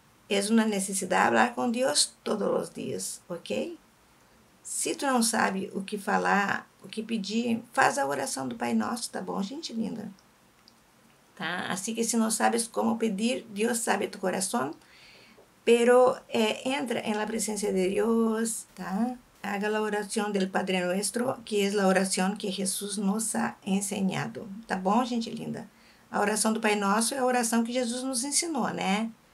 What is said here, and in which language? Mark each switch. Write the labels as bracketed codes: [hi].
[pt] É uma necessidade falar com Deus todos os dias, ok? Se tu não sabe o que falar, o que pedir, faz a oração do Pai Nosso, tá bom, gente linda? Tá? Assim que se não sabes como pedir, Deus sabe [es] tu [pt] coração. [es] Pero entra en la presencia de Dios, [pt] ¿tá? [es] Haga la oración del Padre Nuestro, que es la oración que Jesús nos ha enseñado, [pt] ¿tá bom, gente linda? A oração do Pai Nosso é a oração que Jesus nos ensinou, né?